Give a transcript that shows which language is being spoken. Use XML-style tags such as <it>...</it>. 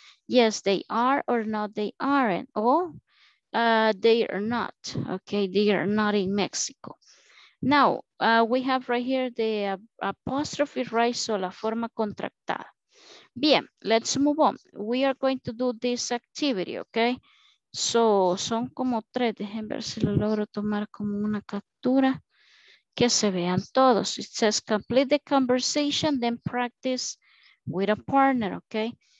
<en>Yes, they are or no, they aren't. O they are not. Okay, they are not in Mexico. Now, we have right here the apostrophe, right?</en> <es>So la forma contractada. Bien,</es> <en>let's move on. We are going to do this activity, okay?</en> <es>So, son como tres. Dejen ver si lo logro tomar como una captura. Que se vean todos.</es> <en>It says, complete the conversation, then practice with a partner, okay?</en>